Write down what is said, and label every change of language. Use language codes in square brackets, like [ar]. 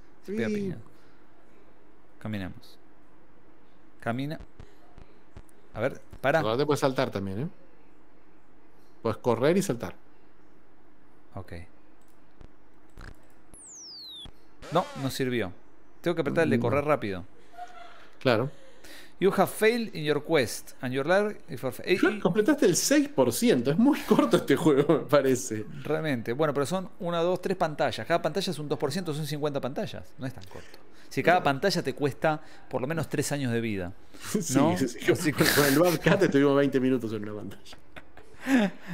[es] Sí. Pega piñas. Caminemos. Camina. A ver, para. Ahora te puedes saltar también, ¿eh? Puedes correr y saltar. Ok. No, no sirvió. Tengo que apretar el de correr rápido. Claro. [en] You have failed in your quest and your life. [es] Completaste el 6%. Es muy corto este juego, me parece. Realmente. Bueno, pero son 1, 2, 3 pantallas. Cada pantalla es un 2%, son 50 pantallas. No es tan corto. Si cada pantalla te cuesta por lo menos 3 años de vida. ¿No? Sí. Con el WebCat estuvimos 20 minutos en una pantalla.